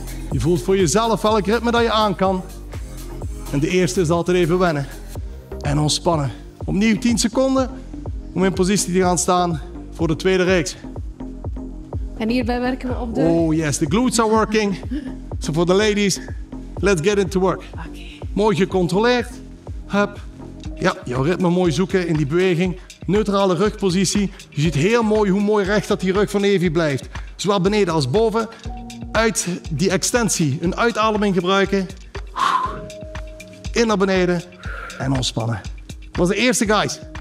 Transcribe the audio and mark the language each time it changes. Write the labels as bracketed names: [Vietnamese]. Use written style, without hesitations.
[Dutch] Je voelt voor jezelf welk ritme dat je aan kan. En de eerste is altijd even wennen. En ontspannen. Opnieuw 10 seconden. Om in positie te gaan staan voor de tweede reeks. En hierbij werken we op de... [English] Oh yes, the glutes are working. So for the ladies, let's get into work. Okay. [Dutch] Mooi gecontroleerd. Hup. Ja, jouw ritme mooi zoeken in die beweging. Neutrale rugpositie. Je ziet heel mooi hoe mooi recht dat die rug van Evi blijft. Zowel beneden als boven. Uit die extensie een uitademing gebruiken. In naar beneden. En ontspannen. Dat was de eerste, [English] guys.